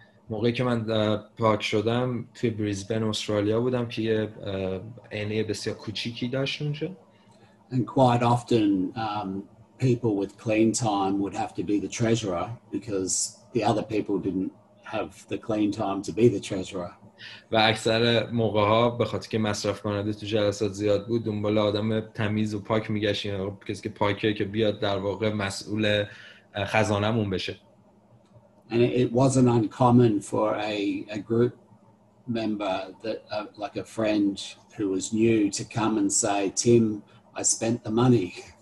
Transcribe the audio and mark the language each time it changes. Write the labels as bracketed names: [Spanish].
[Persian] موقعی که من پاک شدم توی بریزبن استرالیا بودم که یه NA بسیار کوچیکی داشت اونجا. [English] And quite often people with clean time would have to be the treasurer because the other people didn't have the clean time to be the treasurer. [Persian] و اکثر موقع ها به خاطر که مصرف کننده تو جلسات زیاد بود دنبال آدم تمیز و پاک میگشتیم، کسی که پاکه که بیاد در واقع مسئول خزانمون بشه. [English] And it wasn't uncommon for a group member that like a friend who was new to come and say, Tim, I spent the money.